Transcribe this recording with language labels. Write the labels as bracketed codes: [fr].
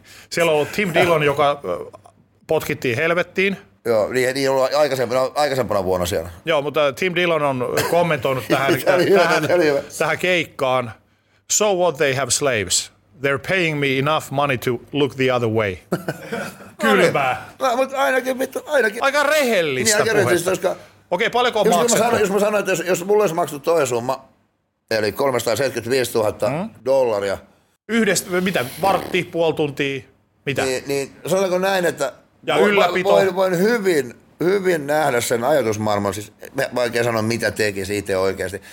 [fi] siellä on ollut Tim Dillon, joka potkittiin helvettiin. Joo, niin ei ollut aikaisempana vuonna siellä. Joo, mutta Tim Dillon on kommentoinut tähän keikkaan. [en] So what, they have slaves. They're paying me enough money to look the other way. [fi] Kylmää. No, mutta ainakin vittu, ainakin. Aika rehellistä niin, puhetta. Rehellistä, koska... Okei, paljonko on maksettu? Jos mä sanoin, että jos mulle olisi maksettu toi summa, eli 375 000 dollaria. Yhdestä, mitä, vartti, puoli tuntia, mitä? Niin sanotaanko näin, että ja ylläpito. Voin hyvin nähdä sen ajatusmaailman, siis vaikea sanoa, mitä tekisi itse oikeasti.